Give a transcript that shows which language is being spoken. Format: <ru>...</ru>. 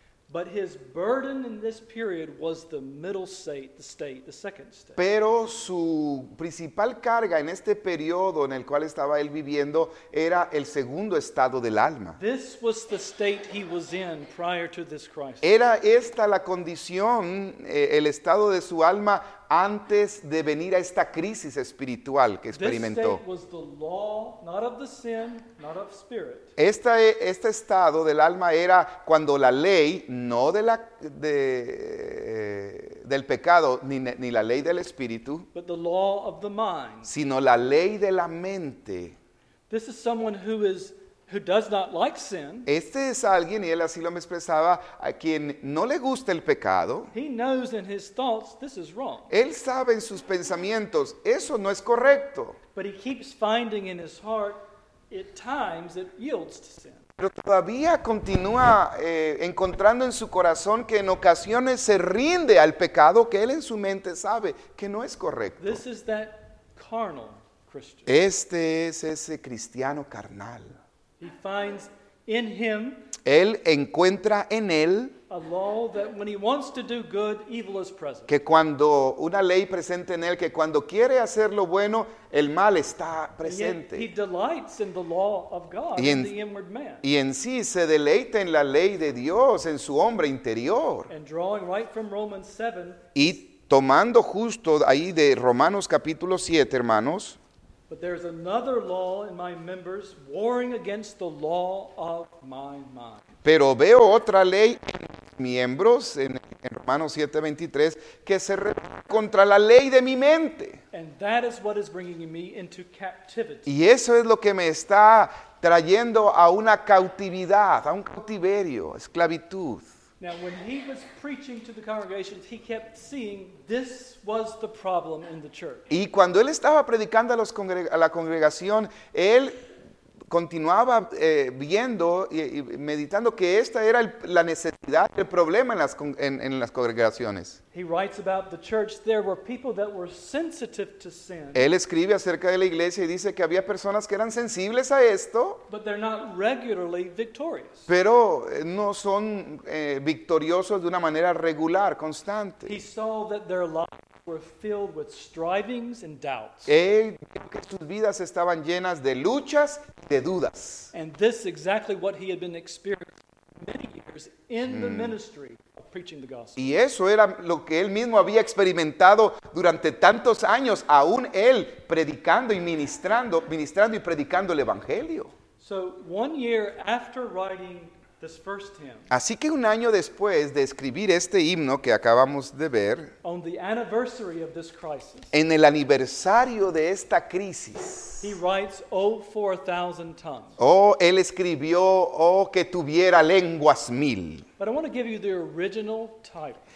<en>But his burden in this period was the middle state, the second state.</en> <es>Pero su principal carga en este periodo en el cual estaba él viviendo era el segundo estado del alma.</es> <en>This was the state he was in prior to this crisis.</en> <es>Era esta la condición, el estado de su alma antes de venir a esta crisis espiritual que experimentó.</es> <en>This state was the law, not of the sin, not of spirit.</en> <es>Este estado del alma era cuando la ley, no de la del pecado, ni la ley del espíritu,</es> <en>but the law of the mind,</en> <es>sino la ley de la mente.</es> <en>This is someone who is who does not like sin.</en> <es>Este es alguien, y él así lo me expresaba, a quien no le gusta el pecado.</es> <en>He knows in his thoughts, this is wrong.</en> <es>Él sabe en sus pensamientos, eso no es correcto.</es> <en>But he keeps finding in his heart, at times, it yields to sin.</en> <es>Pero todavía continúa encontrando en su corazón que en ocasiones se rinde al pecado que él en su mente sabe que no es correcto.</es> <en>This is that carnal Christian.</en> <es>Este es ese cristiano carnal.</es> <en>He finds in him</en> <es>él encuentra en él</es> <en>a law that when he wants to do good, evil is present.</en> <es>Que cuando una ley presente en él, que cuando quiere hacer lo bueno, el mal está presente.</es> <en>He delights in the law of God in the inward man.</en> <es>Y en sí se deleita en la ley de Dios, en su hombre interior.</es> <en>And drawing right from Romans 7.</en> <es>Y tomando justo ahí de Romanos capítulo 7, hermanos.</es> <en>But there's another law in my members warring against the law of my mind.</en> <es>Pero veo otra ley en miembros en Romanos 7:23 que se revela contra la ley de mi mente.</es> <en>And that is what is bringing me into captivity.</en> <es>Y eso es lo que me está trayendo a una cautividad, a un cautiverio, esclavitud.</es> <en>Now when he was preaching to the congregations, he kept seeing this was the problem in the church.</en> <es>Y cuando él estaba predicando a la congregación, él continuaba viendo y meditando que esta era la necesidad, el problema en las congregaciones.</es> <en>He writes about the church, there were people that were sensitive to sin.</en> <es>Él escribe acerca de la iglesia y dice que había personas que eran sensibles a esto.</es> <en>But they're not regularly victorious.</en> <es>Pero no son victoriosos de una manera regular, constante.</es> <en>He saw that their lives were filled with strivings and doubts.</en> <es>Él vio que sus vidas estaban llenas de luchas, de dudas.</es> <en>And this is exactly what he had been experiencing many years in the ministry. Preaching the gospel.</en> <es>Y eso era lo que él mismo había experimentado durante tantos años, aún él predicando y ministrando y predicando el evangelio.</es> <en>So, one year after writing this first hymn,</en> <es>así que un año después de escribir este himno que acabamos de ver,</es> <en>on the anniversary of this crisis,</en> <es>en el aniversario de esta crisis,</es> <en>he writes, oh, 4,000 tongues.</en> <es>Oh, él escribió, oh, que tuviera lenguas mil.</es> <en>But I want to give you the original title.</en>